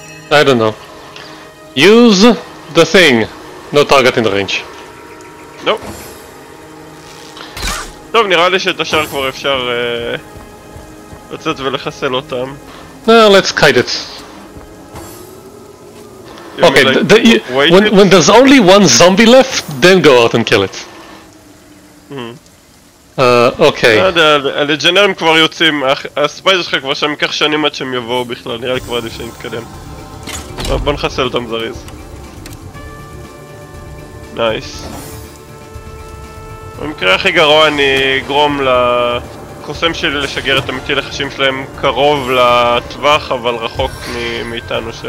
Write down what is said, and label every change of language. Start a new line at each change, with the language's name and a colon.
English: I don't know. Use the thing. No target in range. Nope.
Hebrew: טוב, נראה לי שאת השאר כבר אפשר לצאת ולחסל אותם.
English: Let's kite it. Okay, when there's only one zombie left, then go out and kill it.
Hebrew: אוקיי. לא יודע, הלג'נרים כבר יוצאים, הספייז שלך כבר שם ייקח שנים עד שהם יבואו בכלל, נראה לי כבר עדיף שנתקדם. בוא נחסל אותם זריז. נייס. במקרה הכי גרוע אני אגרום לקוסם שלי לשגר את המתי לחשים שלהם קרוב לטווח, אבל רחוק מאיתנו ש...